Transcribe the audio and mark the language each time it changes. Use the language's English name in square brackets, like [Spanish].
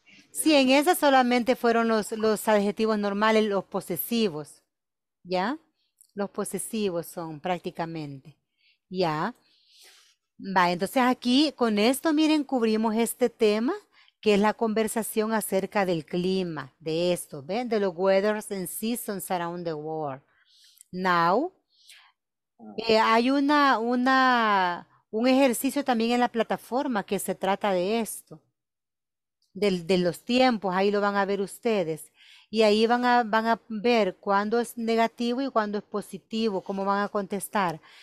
[Spanish] Sí, en esa solamente fueron los adjetivos normales, los posesivos. ¿Ya? Los posesivos son prácticamente, ¿ya? Va, entonces aquí con esto, miren, cubrimos este tema, que es la conversación acerca del clima, de esto, ¿ven? De los [English] weathers and seasons around the world. Now, [Spanish] hay un ejercicio también en la plataforma que se trata de esto, de los tiempos, ahí lo van a ver ustedes. Y ahí van a ver cuándo es negativo y cuándo es positivo, cómo van a contestar.